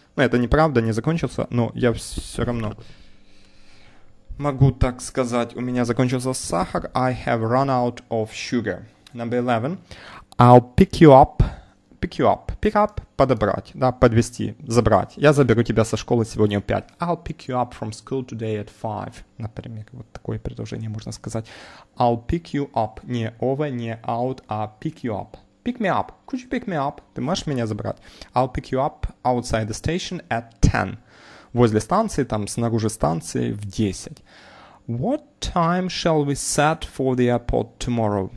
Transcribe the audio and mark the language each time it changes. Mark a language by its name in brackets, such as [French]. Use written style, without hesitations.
[Russian] Ну, это неправда, не закончился, но я все равно могу так сказать, у меня закончился сахар. [English] I have run out of sugar. Number 11. I'll pick you up. Pick you up. [Russian] Pick up – подобрать, да, подвести, забрать. Я заберу тебя со школы сегодня в 5. [English] I'll pick you up from school today at 5. [Russian] Например, вот такое предложение можно сказать. [English] I'll pick you up. Не over, не out, а pick you up. Pick me up. Could you pick me up? [Russian] Ты можешь меня забрать? [English] I'll pick you up outside the station at 10. [Russian] Возле станции, там, снаружи станции в 10. [English] What time shall we set for the airport tomorrow?